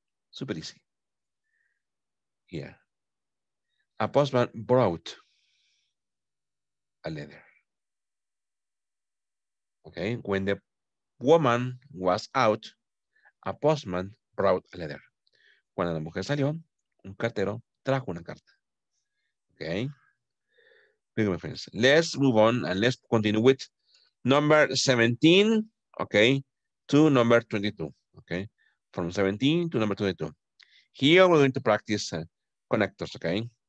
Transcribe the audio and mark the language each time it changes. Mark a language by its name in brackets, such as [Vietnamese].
[English] Super easy. Here. A postman brought a letter. Okay, when the woman was out, a postman brought a letter. [Spanish] Cuando la mujer salió, un cartero trajo una carta. [English] Okay, big my friends. Let's move on and let's continue with number 17, okay, to number 22. Okay, from 17 to number 22. Here we're going to practice connectors, okay?